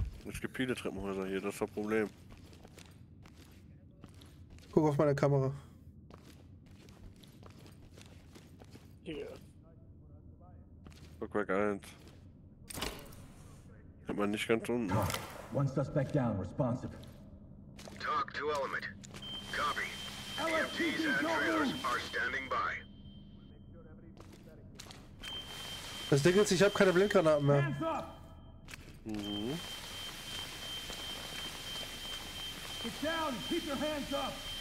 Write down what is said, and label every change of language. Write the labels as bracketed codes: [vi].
[de] Es gibt viele Treppenhäuser hier, das ist das Problem. Guck auf meine Kamera. Hier. Yeah. Rückwerk 1. Hat man nicht ganz unten. [en] Talk. One suspect down, responsive. Talk to Element. Copy. EMTs and trailers are standing by. [de] Das Ding ist, ich hab keine Blinkgranaten mehr. [en] Get down, keep your hands up!